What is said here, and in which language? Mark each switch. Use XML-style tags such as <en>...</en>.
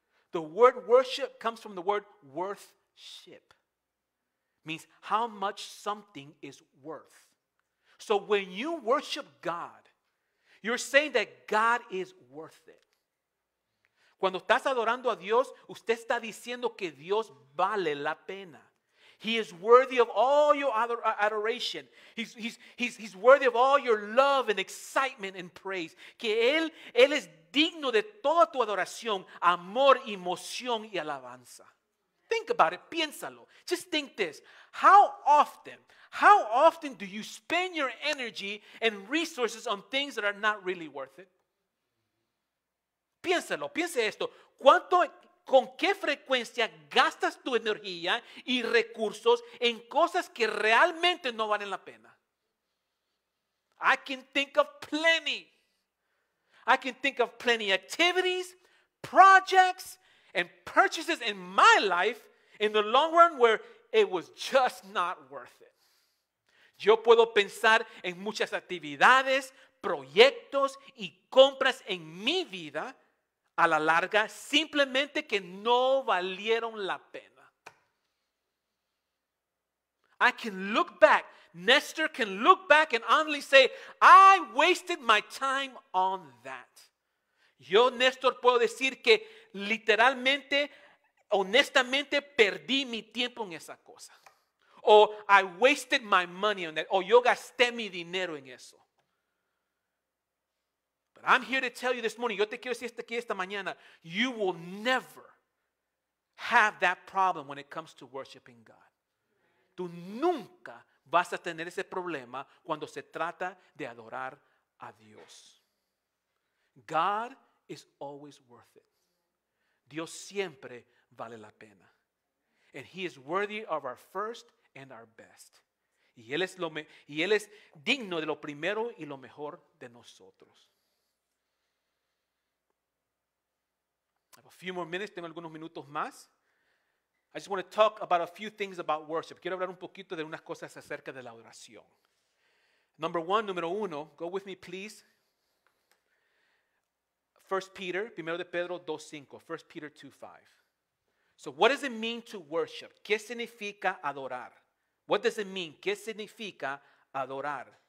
<en>The word worship comes from the word worth-ship. Means how much something is worth. So when you worship God, you're saying that God is worth it.</en> <es>Cuando estás adorando a Dios, usted está diciendo que Dios vale la pena.</es> <en>He is worthy of all your adoration. He's worthy of all your love and excitement and praise.</en> <es>Que él es digno de toda tu adoración, amor, emoción y alabanza.</es> <en>Think about it.</en> <es>Piénsalo.</es> <en>Just think this. How often do you spend your energy and resources on things that are not really worth it?</en> <es>Piénsalo. Piense esto. ¿Cuánto ¿Con qué frecuencia gastas tu energía y recursos en cosas que realmente no valen la pena?</es> <en>I can think of plenty. I can think of plenty of activities, projects, and purchases in my life in the long run where it was just not worth it.</en> <es>Yo puedo pensar en muchas actividades, proyectos y compras en mi vida a la larga simplemente que no valieron la pena.</es> <en>I can look back. Nestor can look back and honestly say, I wasted my time on that.</en> <es>Yo, Nestor, puedo decir que literalmente, honestamente, perdí mi tiempo en esa cosa.</es> <en>O I wasted my money on that.</en> <es>O yo gasté mi dinero en eso.</es> <en>But I'm here to tell you this morning,</en> <es>yo te quiero decir aquí esta mañana,</es> <en>you will never have that problem when it comes to worshiping God.</en> <es>Tú nunca vas a tener ese problema cuando se trata de adorar a Dios.</es> <en>God is always worth it.</en> <es>Dios siempre vale la pena.</es> <en>And he is worthy of our first and our best.</en> <es>Y él es digno de lo primero y lo mejor de nosotros.</es> <en>I have a few more minutes.</en> <es>Tengo algunos minutos más.</es> <en>I just want to talk about a few things about worship.</en> <es>Quiero hablar un poquito de unas cosas acerca de la adoración.</es> <en>Number one,</en> <es>número uno,</es> <en>go with me please. 1 Peter,</en> <es>primero de Pedro</es> <en>2:5, 1 Peter 2:5. So what does it mean to worship?</en> <es>¿Qué significa adorar?</es> <en>What does it mean?</en> <es>¿Qué significa adorar?</es>